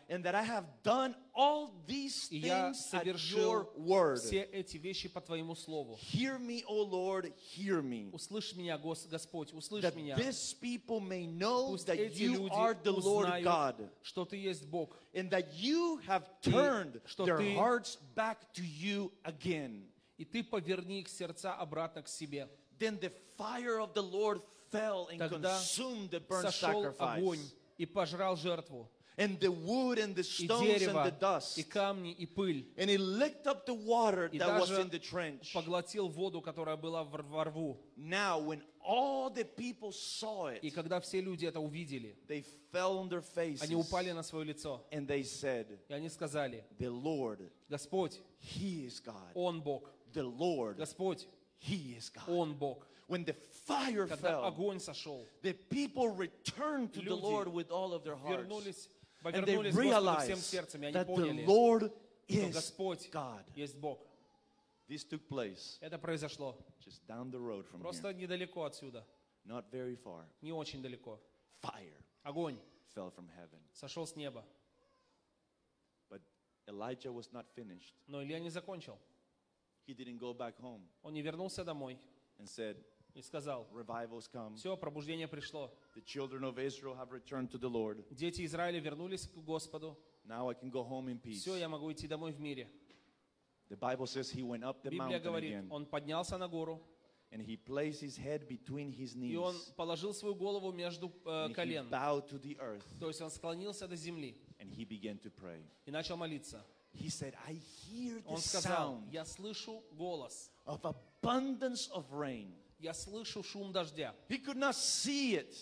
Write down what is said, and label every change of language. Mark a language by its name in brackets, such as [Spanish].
[English] and that I have done all these things at your word. [Russian] Все эти вещи по твоему слову. [English] Hear me, O Lord, hear me. [Russian] Услышь меня, Господь, услышь меня. [English] That these people may know that you are the Lord God, [Russian] что ты есть Бог, [English] and that you have turned their hearts back to you again. [Russian] и ты поверни их сердца обратно к себе. [English] Then the fire of the Lord fell and consumed the burnt sacrifice. [Russian] Сошел огонь и пожрал жертву. [English] And the wood and the stones and the dust. [Russian] И камни и пыль. [English] And it licked up the water that was in the trench. [Russian] И даже поглотил воду, которая была в рву. [English] Now when all the people saw it. [Russian] И когда все люди это увидели. [English] They fell on their faces. [Russian] Они упали на свое лицо. [English] And they said. [Russian] И они сказали. [English] The Lord. [Russian] Господь. [English] He is God. [Russian] Он Бог. [English] The Lord. [Russian] Господь. [English] He is God. [Russian] Он Бог. [English] When the fire [Russian] Когда [English] fell, [Russian] огонь сошел, [English] the people returned to the Lord with all of their hearts. And they realized that the Lord is God. This took place just down the road from here. Not very far. Fire fell from heaven. [Russian] Сошел с неба. [English] But Elijah was not finished. [Russian] Но Илия не закончил. [English] He didn't go back home. [Russian] Он не вернулся домой. [English] And said, [Russian] и сказал, [English] revival's come. [Russian] Все, пробуждение пришло. [English] The children of Israel have returned to the Lord. [Russian] Дети Израиля вернулись к Господу. [English] Now I can go home in peace. [Russian] Все, я могу идти домой в мире. [English] The Bible says he went up the [Russian] Библия [English] mountain [Russian] говорит, [English] again. [Russian] Он поднялся на гору. [English] And he placed his head between his knees. [Russian] И он положил свою голову между колен. [English] He bowed to the earth. [Russian] То есть он склонился до земли. [English] And he began to pray. [Russian] И начал молиться. [English] He said, I hear the sound. [Russian] Он сказал, я слышу голос. [English] Of abundance of rain. [Russian] Я слышу шум дождя. [English] He could not see it.